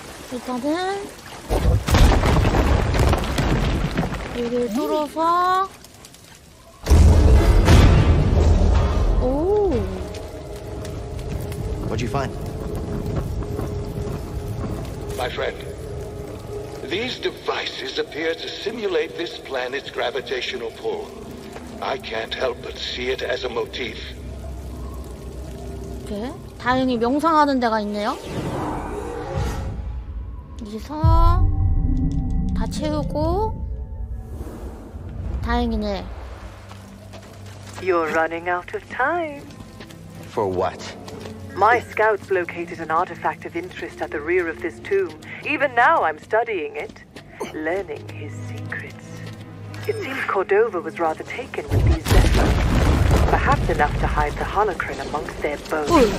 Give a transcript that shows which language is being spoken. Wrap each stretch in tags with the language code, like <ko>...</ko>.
<ko>일단은 여기를 뚫어서 오.</ko> <en>What'd you find? My friend, these devices appear to simulate this planet's gravitational pull. I can't help but see it as a motif.</en> <ko>네, 다행히 명상하는 데가 있네요. 여기서 다 채우고 다행이네.</ko> <en>You're running out of time. For what? My scouts located an artifact of interest at the rear of this tomb. Even now I'm studying it, learning his secrets. It seems Cordova was rather taken with these vessels. Perhaps enough to hide the holocron amongst their bones.</en>